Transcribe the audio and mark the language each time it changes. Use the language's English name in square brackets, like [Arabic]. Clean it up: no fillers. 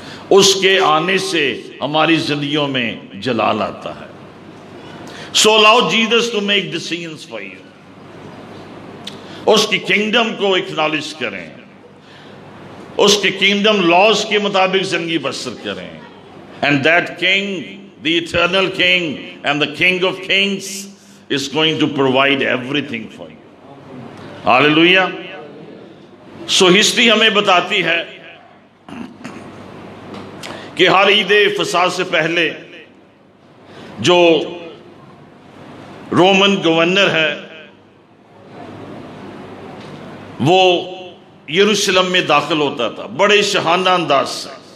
[Urdu] اس کے آنے سے ہماری زندگیوں میں جلال آتا ہے. [English] So allow Jesus to make decisions for you. [Urdu] اس کی کنگڈم کو اکنالج کریں, اس کی کنگڈم لاس کے مطابق زندگی بسر کریں. [English] And that king, the eternal king and the king of kings is going to provide everything for you. [Urdu] ہللویا. So history ہمیں بتاتی ہے کہ ہر عید فساد سے پہلے جو رومن گورنر ہے وہ یروشلم میں داخل ہوتا تھا بڑے شہانہ انداز سے.